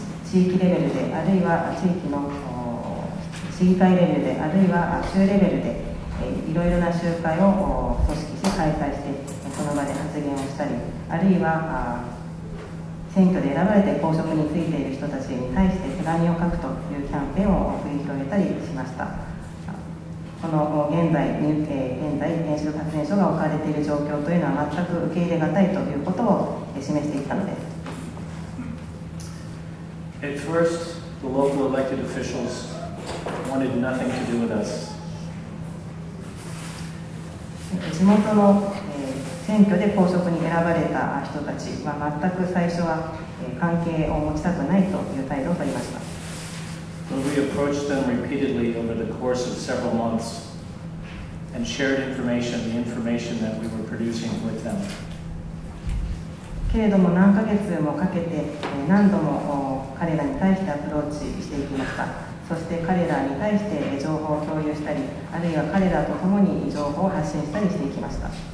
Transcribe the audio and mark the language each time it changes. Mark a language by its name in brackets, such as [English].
[Japanese] 地域レベルで、あるいは地域の市議会レベルで、あるいは州レベルでいろいろな集会を組織して開催して、その場で発言をしたり、あるいは選挙で選ばれて公職に就いている人たちに対して手紙を書くというキャンペーンを繰り広げたりしました。この現在原子力発電所が置かれている状況というのは全く受け入れがたいということを示していたのです。 [English] At first, the local elected officials wanted nothing to do with us. [Japanese] 地元の選挙で公職に選ばれた人たちは全く最初は関係を持ちたくないという態度を取りました。 [English] When we approached them repeatedly over the course of several months and shared information, the information that we were producing with them. [Japanese] けれども何ヶ月もかけて何度も彼らに対してアプローチしていきました。そして彼らに対して情報を共有したり、あるいは彼らと共に情報を発信したりしていきました。